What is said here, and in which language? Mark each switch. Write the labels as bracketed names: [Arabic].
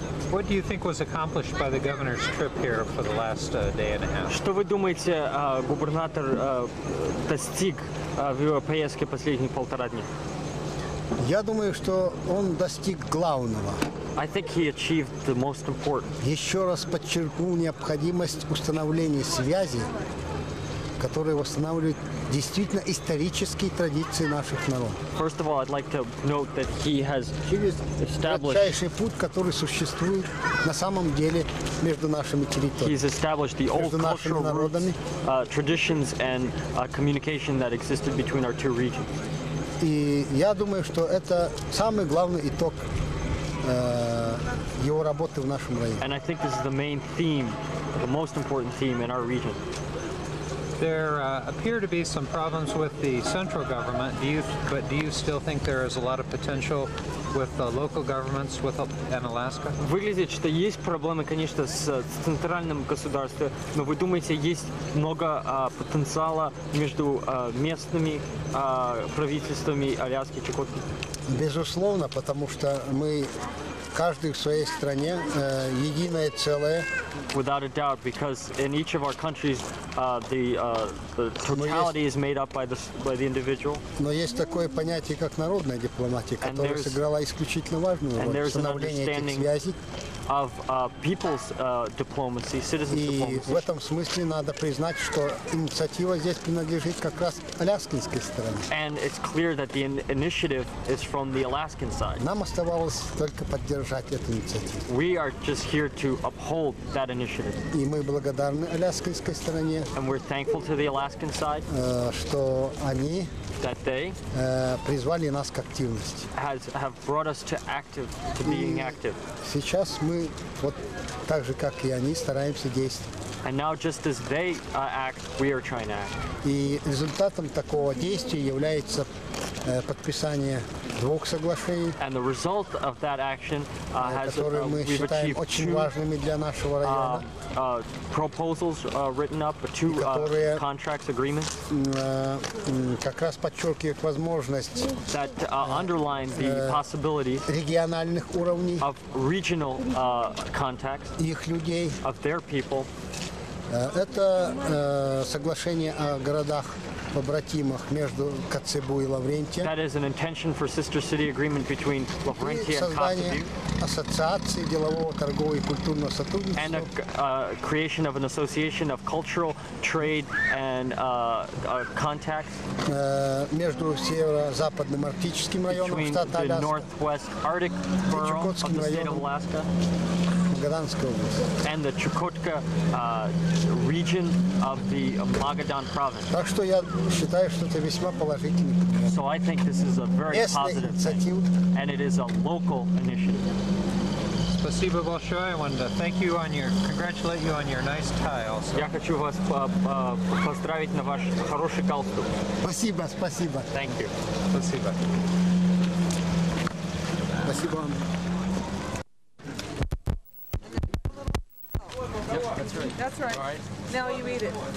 [English] What do you think was accomplished by the governor's trip here for the last day and a half? [Russian] Что вы думаете, губернатор достиг в его поездке последние полтора дня? Я думаю, что он достиг главного. [English] I think he achieved the most important. [Russian] Еще раз подчеркнул необходимость установления связи, которые восстанавливают действительно исторические традиции наших народов. [English] First of all, I'd like to note that he has established [Russian] the путь, который существует на самом деле между нашими территориями. [English] He's established the old cultural roots, traditions and communication that existed between our two regions. [Russian] И я думаю, что это самый главный итог его работы в нашем районе. [English] And I think this is the main theme, the most important theme in our region. There appear to be some problems with the central government. Do you still think there is a lot of potential with the local governments with in Alaska? [Russian] Выглядит, что есть проблемы, конечно, с центральным государством, но вы думаете, есть много потенциала между местными правительствами Аляски и Чукотки? Безусловно, потому что мы каждый в своей стране единое целое. [English] Without a doubt, because in each of our countries, the totality is made up by the individual. [Russian] Но есть такое понятие, как народная дипломатия, которая сыграла исключительно важную роль в установлении этих связей. [English] Of people's diplomacy, citizens' [Russian] и [English] diplomacy. [Russian] И в этом смысле надо признать, что инициатива здесь принадлежит как раз аляскинской стороне. [English] And it's clear that the initiative is from the Alaskan side. [Russian] Нам оставалось только поддержать эту инициативу. [English] We are just here to uphold that initiative. [Russian] И мы благодарны аляскинской стороне. [English] And we're thankful to the Alaskan side. [Russian] Что они [English] that they [Russian] призвали нас к активности. [English] Have brought us to active, to being active. [Russian] Сейчас мы вот так же, как и они, стараемся действовать. [English] And now, just as they act, we are trying to act. [Russian] И результатом такого действия является подписание двух соглашений. [English] And the result of that action has [Russian] которые мы считаем очень важными для нашего района. [English] Proposals written up, two contracts agreements [Russian] как раз подчеркивают возможность [English] that underline the possibility [Russian] региональных уровней [English] of regional contacts [Russian] их людей [English] of their people. [Russian] Это соглашение о городах побратимах между Коцебу и Лаврентия. [English] That is an intention for sister city agreement between Lavrentiya and Kotzebue. [Russian] Ассоциации делового, торгового и культурного сотрудничества. [English] And a creation of an association of cultural trade and contacts. [Russian] Между северо-западным арктическим районом штата Аляска. [English] The northwest Arctic borough of the state of Alaska. And the Chukotka region of the Magadan province. [Russian] Так что я считаю, что это весьма положительный. [English] So I think this is a very positive thing. And it is a local initiative. [Russian] Спасибо большое. [English] I want to thank you on your congratulate you on your nice tie also. [Russian] Я хочу вас поздравить на ваш хороший галстук. Спасибо, спасибо. [English] Thank you. [Russian] Спасибо. Спасибо вам. [English] That's right. All right. Now you eat it.